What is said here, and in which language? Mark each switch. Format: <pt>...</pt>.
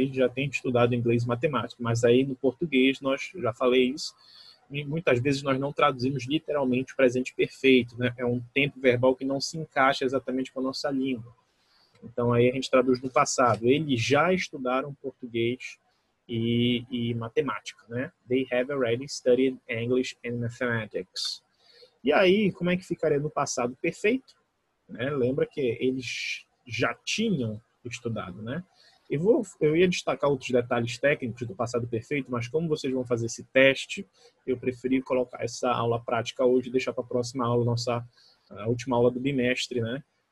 <pt>Eles já têm estudado inglês e matemática, mas aí no português, nós já falei isso, e muitas vezes nós não traduzimos literalmente o presente perfeito, né? É um tempo verbal que não se encaixa exatamente com a nossa língua. Então aí a gente traduz no passado. Eles já estudaram português e matemática, né?</pt> <en>They have already studied English and mathematics.</en> <pt>E aí, como é que ficaria no passado perfeito? Né? Lembra que eles já tinham estudado, né? Eu ia destacar outros detalhes técnicos do passado perfeito, mas como vocês vão fazer esse teste, eu preferi colocar essa aula prática hoje e deixar para a próxima aula, nossa última aula do bimestre, né?</pt>